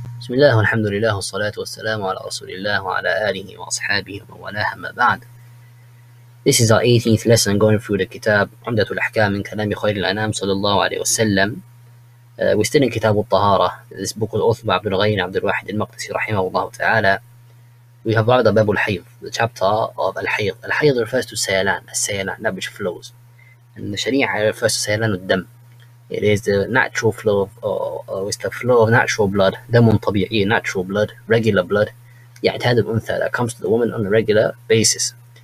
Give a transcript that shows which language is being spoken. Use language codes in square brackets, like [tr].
[ar] بسم الله والحمد لله والصلاة والسلام على رسول الله وعلى آله وأصحابه ومن والاه أما بعد. [en] This is our 18th lesson going through the kitab Umdat Ahkaam [ar] من كلام خير الأنام صلى الله عليه وسلم. [en] We're still in [ar] كتاب الطهارة. [en] This book was authored by عبد الغين عبد الواحد المقدسي [ar] رحمه الله تعالى. [en] We have brought the باب الحيض, the chapter of الحيض. الحيض refers to [ar] سيلان, السيلان, [en] that which flows. And the شريعة refers to [ar] سيلان الدم. [en] It is the natural flow of, it's the flow of natural blood, [ar] دمٌ طبيعي, [en] natural blood, regular blood, [ar] يعتاد الأنثى, [en] that comes to the woman on a regular basis.